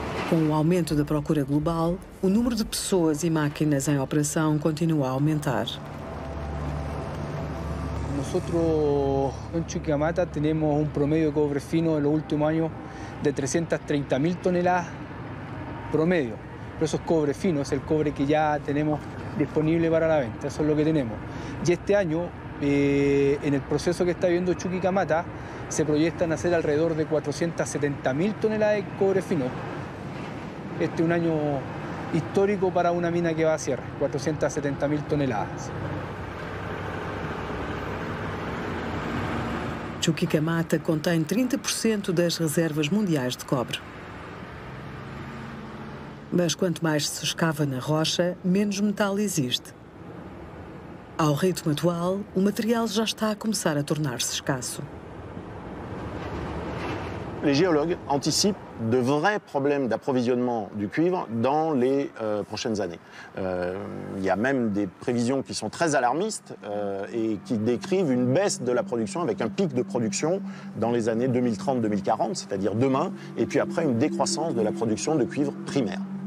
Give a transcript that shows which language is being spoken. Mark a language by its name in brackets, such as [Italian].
[Portuguese] Com o aumento da procura global, o número de pessoas e máquinas em operação continua a aumentar. Nós, em Chuquicamata, temos um promedio de cobre fino no último ano de 330 mil toneladas promedio. [Spanish] pero eso es cobre fino, es el cobre que ya tenemos disponible para la venta, eso es lo que tenemos. Y este año, en el proceso que está viviendo Chuquicamata, se proyectan hacer alrededor de 470.000 toneladas de cobre fino. Este es un año histórico para una mina que va a cierre, 470.000 toneladas. [Portuguese] Chuquicamata contém 30% das reservas mundiais de cobre. Mas quanto mais se escava na rocha, menos metal existe. Ao ritmo atual, o material já está a começar a tornar-se escasso. [French] Les géologues anticipent de vrais problèmes d'approvisionnement du cuivre dans les prochaines années. Il y a même des prévisions qui sont très alarmistes et qui décrivent une baisse de la production avec un pic de production dans les années 2030-2040, c'est-à-dire demain, et puis après une décroissance de la production de cuivre primaire.